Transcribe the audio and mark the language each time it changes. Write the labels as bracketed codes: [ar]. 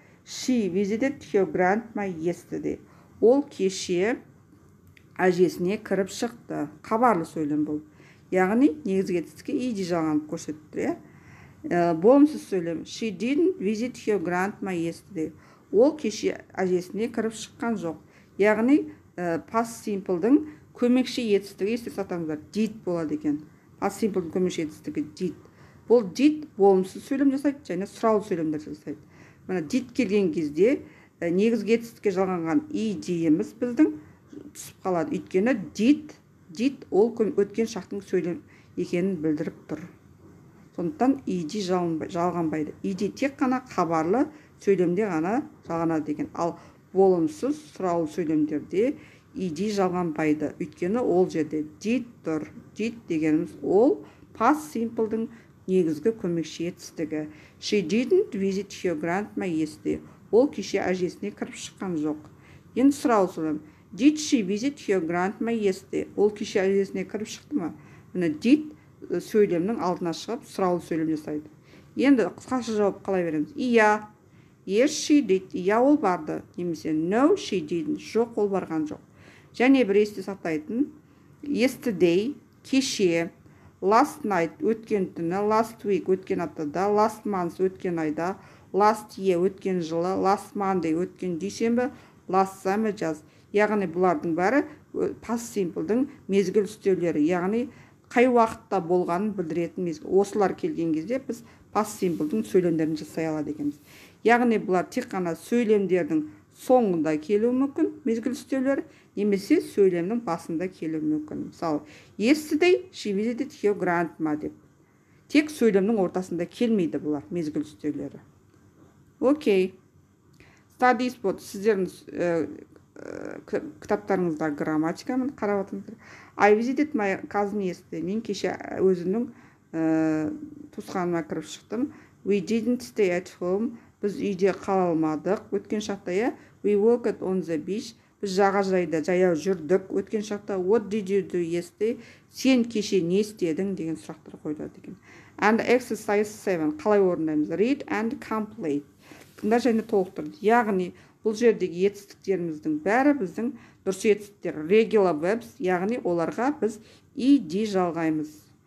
[en] She visited her grandma yesterday. [kk] Ол кеше әжесіне кіріп шықты. Хабарлы сөйлем бұл. Яғни негізгі етістікке ED жалғанып көрсетті. Болымсыз сөйлем. [en] She didn't visit her grandma yesterday. [kk] Ол кеше әжесіне кіріп шыққан жоқ. Яғни past simple-дің көмекші етістігі есте сақтаңыздар. Did болады екен. Past simple-дің көмекші етістігі did. Бұл did болымсыз сөйлем жасайды және сұраулы сөйлемдер жасайды. Мына did келген кезде негізгі етістікке жалғанған ED-іміз біздің түсіп қалады. Өйткені did ол өткен шақтың сөйлем екенін білдіріп тұр. Сондықтан ED жалғанбайды. ED тек қана хабарлы сөйлемде ғана жалғанады деген. Ал болымсыз сұраулы сөйлемдерде ED жалғанбайды. Өйткені ол жерде did тұр. Did дегеніміз ол past simple-дің негізгі көмекші етістігі. [en] She didn't visit her grandma yesterday. [kk] Ол кеше әжесіне кіріп шыққан жоқ. Енді сұрау сұрам. [en] Did she visit her grandma yesterday? [kk] Ол кеше әжесіне кіріп шықты ма? Мына did сөйлемнің алдына шығып сұрауын сөйлем жасайды. Енді қысқаша жауап қалай береміз? Ия. [en] Yes, she did. [kk] Ия ол барды. [en] Немесе no, she didn't. [kk] Жоқ ол барған жоқ. Және бір есте сақтайтын. Yesterday, кеше. Last night, өткен түні. Last week, өткен аптада. Last month, өткен айда. Last year, өткен жылы. Last Monday, өткен дүйсенбі. [en] Last summer, жаз. [kk] Яғни бұлардың бәрі past simple-дің мезгіл үстеулері. Яғни қай уақытта болғанын білдіретін мезгіл. Осылар келген кезде біз past simple-дің сөйлемдерін жасай алады екенбіз. Яғни бұлар тек қана сөйлемдердің соңында келуі мүмкін мезгіл үстеулер, немесе сөйлемнің басында келуі мүмкін. Мысалы, [en] yesterday she visited her grandma [kk] деп. Тек сөйлемнің ортасында келмейді бұлар мезгіл үстеулері. [en] Окей. Study spot. [kk] Сіздердің кітаптарыңызда грамматиканы қарап отырсыздар. [en] I visited my cousin yesterday. [kk] Мен кеше өзімнің туысқаныма кіріп шықтым. [en] We didn't stay at home. [kk] Біз үйде қала алмадық. Өткен шақта я. [en] We walked on the beach. [kk] Біз жағажайда жаяу жүрдік. Өткен шақта [en] what did you do yesterday? [kk] Сен кеше не істедің деген сұрақтар қойылады екен. [en] And exercise 7. [kk] Қалай орындаймыз? [en] Read and complete. [kk] Тыңда және толықтыр. Яғни бұл жердегі етістіктеріміздің бәрі біздің дұрыс етістіктер. Regular verbs, яғни оларға біз ed жалғаймыз.